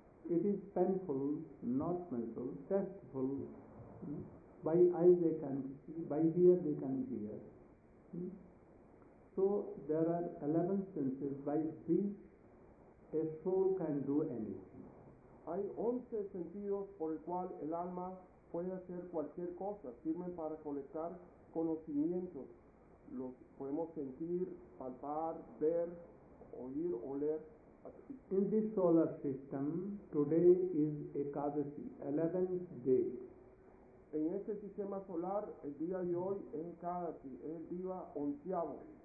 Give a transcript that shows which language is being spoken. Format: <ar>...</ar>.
<en>It is painful, not mental, tasteful. By eye they can see, by ear they can hear. So there are 11 senses by which a soul can do anything.</en> <es>Hay 11 sentidos por el cual el alma puede hacer cualquier cosa. Sirven para colectar conocimientos. Los podemos sentir, palpar, ver, oír, oler.</es> <en>In this solar system, today is Ekadasi, 11th day.</en> <es>En este sistema solar, el día de hoy es Ekadasi, es el día onceavo.</es>